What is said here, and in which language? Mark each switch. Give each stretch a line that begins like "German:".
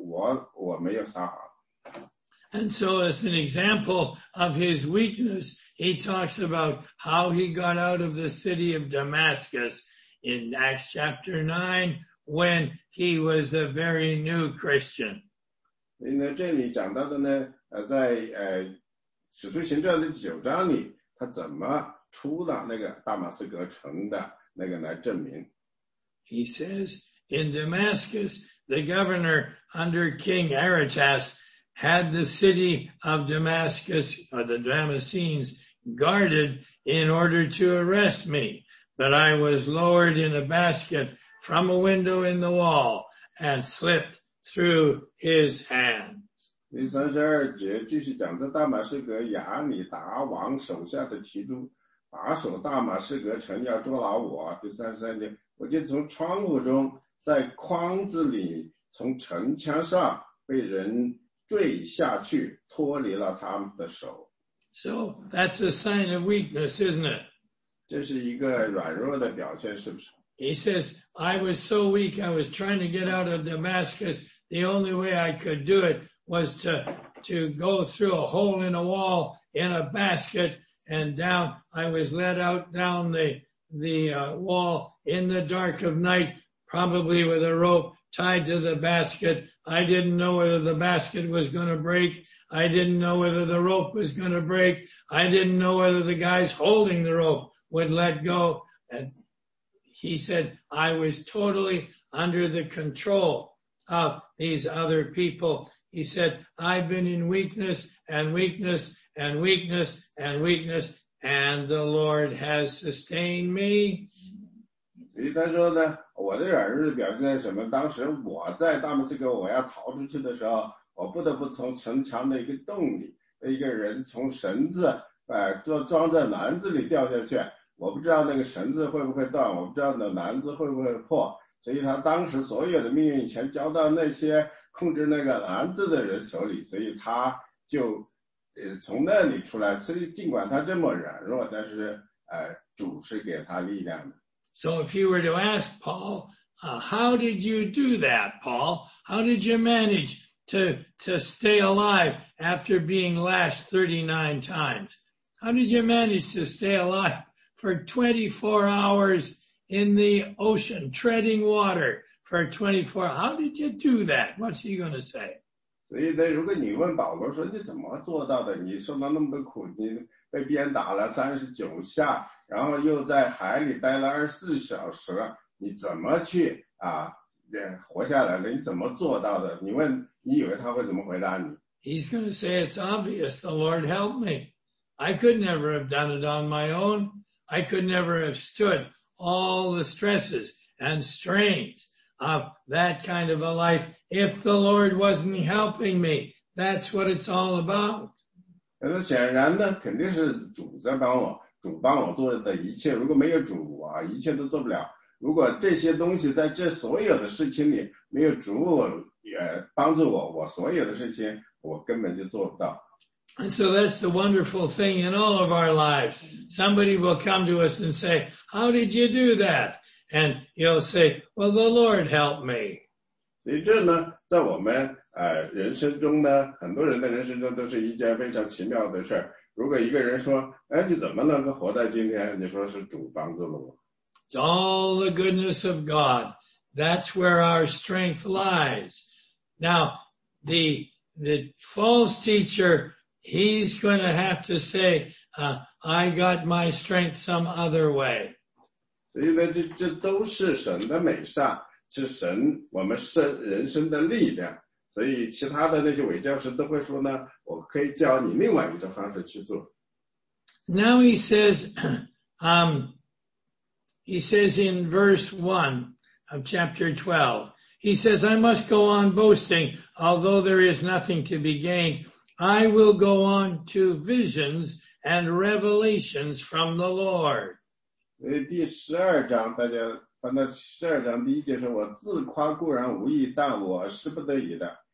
Chinese: 所以呢，保罗这里说我是一个非常软弱的人，我们主耶稣的天父他会知道我没有撒谎。And
English: so as an example of his weakness, he talks about how he got out of the city of Damascus in Acts chapter 9 when he was a very new Christian.
Chinese: 所以呢，这里讲到的呢，在使徒行传的九章里，他怎么
English: He says, in Damascus, the governor under King Aretas had the city of Damascus, or the Damascenes, guarded in order to arrest me. But I was lowered in a basket from a window in the wall and slipped through his hands.
Chinese: 第32节继续讲，这大马士革亚米达王手下的提督把守大马士革城要捉拿我。第33节，我就从窗户中，在筐子里，从城墙上被人坠下去，脱离了他们的手。
English: So that's a sign of weakness, isn't it?
Chinese: 这是一个软弱的表现，是不是？
English: He says, I was so weak, I was trying to get out of Damascus. The only way I could do it was to go through a hole in a wall in a basket, and down, I was led out down the wall in the dark of night, probably with a rope tied to the basket. I didn't know whether the basket was going to break. I didn't know whether the rope was going to break. I didn't know whether the guys holding the rope would let go. And he said, I was totally under the control of these other people. He said, I've been in weakness and weakness and weakness and weakness, and the Lord has sustained me.
Chinese: 所以他说呢，我的软弱表现在什么？当时我在大马士革，我要逃出去的时候，我不得不从城墙的一个洞里，一个人从绳子，装在篮子里掉下去。我不知道那个绳子会不会断，我不知道那篮子会不会破。所以他当时所有的命运全交到那些控制那个篮子的人手里，所以他就从那里出来。所以尽管他这么软弱，但是主是给他力量的。
English: So if you were to ask Paul, how did you do that, Paul? How did you manage to stay alive after being lashed 39 times? How did you manage to stay alive for 24 hours in the ocean, treading water for 24? How did you do that? What's he going to say?
Chinese: 所以呢，如果你问保罗说你怎么做到的，你受到那么多苦，你被鞭打了39下，然后又在海里待了24小时，你怎么去活下来了？你怎么做到的？你问，你以为他会怎么回答你
English: ？He's going to say it's obvious. The Lord helped me. I could never have done it on my own. I could never have stood all the stresses and strains of that kind of a life if the Lord wasn't helping me. That's what it's all about.
Chinese: 那显然呢，肯定是主在帮我。主帮我做的一切，如果没有主啊，一切都做不了。如果这些东西在这所有的事情里没有主帮助我，我所有的事情我根本就做不到。
English: And so that's the wonderful thing in all of our lives. Somebody will come to us and say, "How did you do that?" And you'll say, "Well, the Lord helped me."
Chinese: 所以这呢，在我们人生中呢，很多人的人生中都是一件非常奇妙的事儿。如果一个人说，哎，你怎么能够活到今天？你说是主帮助了我。
English: It's all the goodness of God. That's where our strength lies. Now, the false teacher, he's going to have to say, I got my strength some other way.
Chinese: 所以呢，这都是神的美善，是神我们人生的力量。所以其他的那些伪教师都会说呢，我可以教你另外一种方式去做。
English: Now he says, in verse 1 of chapter 12, he says, I must go on boasting, although there is nothing to be gained. I will go on to visions and revelations from the Lord.
Chinese: 所以第十二章大家翻到第十二章第一节说，我自夸固然无益，但我是不得已的。